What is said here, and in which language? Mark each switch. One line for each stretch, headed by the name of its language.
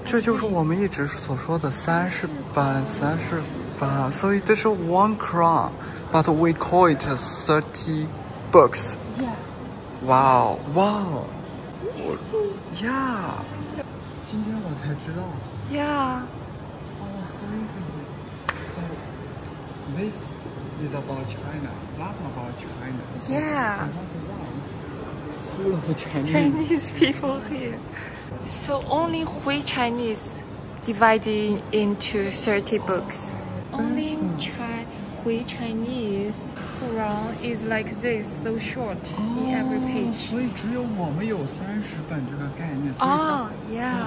Chinese: So, 这就是我们一直所说的三十本。
English: So this is one crown, but we call it 30. Books. Yeah. Wow. Interesting.
Chinese: Yeah. 今天我才知道。
English: Yeah. Oh, so interesting. So, this is about China. Not about China. So, yeah. So, full of Chinese. Chinese people here. So, only Hui Chinese divided into 30 books. Only Hui Chinese. Quran is like this, so short in every page.
Chinese: 所以只有我们有三十本这个概念。